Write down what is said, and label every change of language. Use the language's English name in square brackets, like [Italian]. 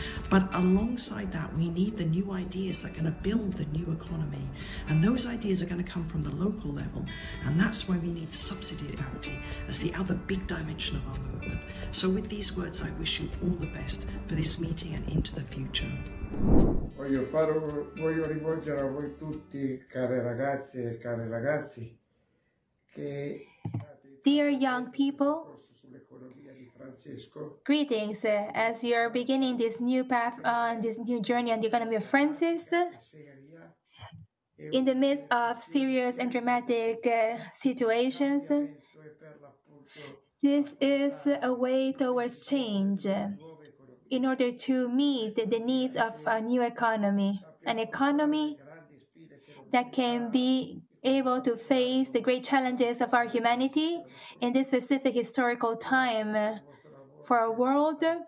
[English] But alongside that, we need the new ideas that are going to build the new economy. And those ideas are going to come from the local level. And that's why we need subsidiarity as the other big dimension of our movement. So with these words, I wish you all the best for this meeting and into the future. [Italian] Voglio fare, voglio rivolgere a voi tutti, care ragazze e cari ragazzi, che... [English] Dear young people, greetings. As you're beginning this new path on this new journey on the economy of Francis, in the midst of serious and dramatic situations, this is a way towards change in order to meet the needs of a new economy, an economy that can be able to face the great challenges of our humanity in this specific historical time for our world.